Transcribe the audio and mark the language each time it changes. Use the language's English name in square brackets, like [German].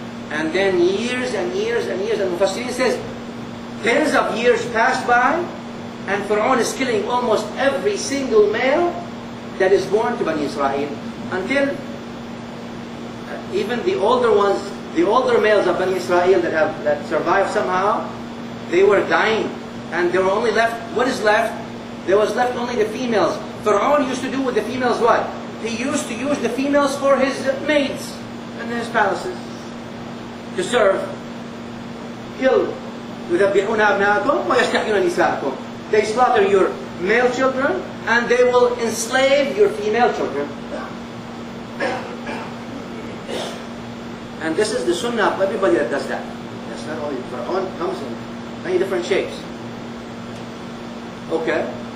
[English] And then years and years and years, and Mufassirin says, tens of years passed by, and Fir'aun is killing almost every single male that is born to Bani Israel, until even the older ones, the older males of Bani Israel that have that survived somehow, they were dying. And there were only left, what is left? There was left only the females. Fir'aun used to do with the females what? He used to use the females for his maids in his palaces. To serve, kill, [Arabic] يذبحون أبناءكم ويستحيون نساءكم. [English] They slaughter your male children and they will enslave your female children. And this is the sunnah of everybody that does that. That's not only Fir'aun, comes in many different shapes. Okay.